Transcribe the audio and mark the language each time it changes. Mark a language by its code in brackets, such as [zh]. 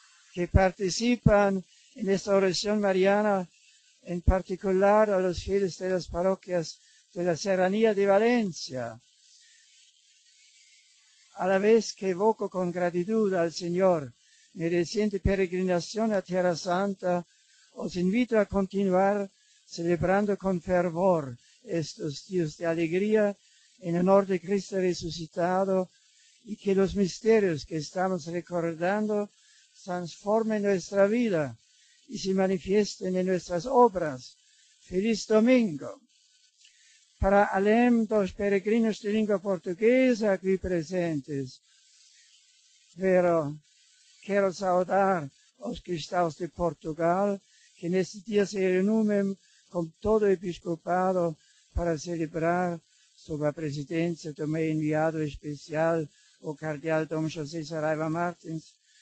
[it] Che partecipano in questa orazione mariana, in particolare allo fieles delle parrocchie della Serrania di Valencia. [es] A la vez que evoco con gratitud al Señor mi reciente peregrinación a Tierra Santa, os invito a continuar celebrando con fervor estos días de alegría en honor de Cristo resucitado y que los misterios que estamos recordando transformen nuestra vida y se manifiesten en nuestras obras. ¡Feliz domingo! [pt] Para além dos peregrinos de língua portuguesa aqui presentes, quero saudar os cristãos de Portugal que neste dia se reúnem com todo o episcopado para celebrar, sob a presidência do meu enviado especial, o cardeal Dom José Saraiva Martins,